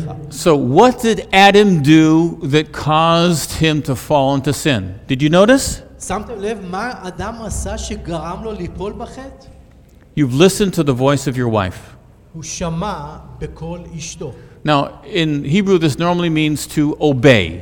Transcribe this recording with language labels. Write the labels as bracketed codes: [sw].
[en] So what did Adam do that caused him to fall into sin? Did you notice? [he] שמתם לב מה אדם עשה שגרם לו ליפול בחטא? [en] You've listened to the voice of your wife. [he] הוא שמע בקול אשתו. [en] Now, in Hebrew, this normally means to obey.